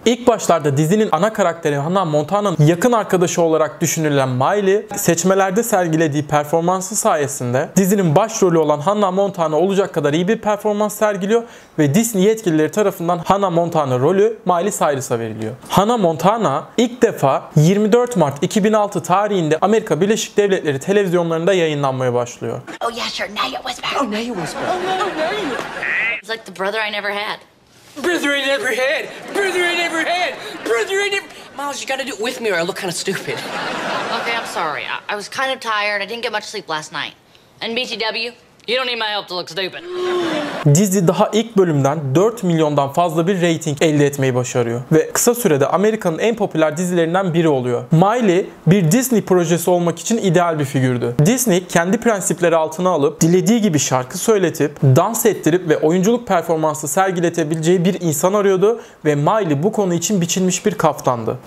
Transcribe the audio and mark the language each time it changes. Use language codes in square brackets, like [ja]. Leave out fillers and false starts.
[tr] İlk başlarda dizinin ana karakteri Hannah Montana'nın yakın arkadaşı olarak düşünülen Miley, seçmelerde sergilediği performansı sayesinde dizinin başrolü olan Hannah Montana olacak kadar iyi bir performans sergiliyor ve Disney yetkilileri tarafından Hannah Montana rolü Miley Cyrus'a veriliyor. Hannah Montana ilk defa 24 Mart 2006 tarihinde Amerika Birleşik Devletleri televizyonlarında yayınlanmaya başlıyor. [en] Oh yeah, sure. Now you was back. Oh, now you was back. Oh, now you. It's like the brother I never had. Brother I never had. Brother I never had. Brother I never. Miles, you gotta do it with me or I look kind of stupid. Okay, I'm sorry. I was kind of tired. I didn't get much sleep last night. And BTW? You don't need my help to look stupid. [tr] Dizi daha ilk bölümden 4 milyondan fazla bir reyting elde etmeyi başarıyor. Ve kısa sürede Amerika'nın en popüler dizilerinden biri oluyor. Miley bir Disney projesi olmak için ideal bir figürdü. Disney kendi prensipleri altına alıp dilediği gibi şarkı söyletip, dans ettirip ve oyunculuk performansı sergiletebileceği bir insan arıyordu ve Miley bu konu için biçilmiş bir kaftandı.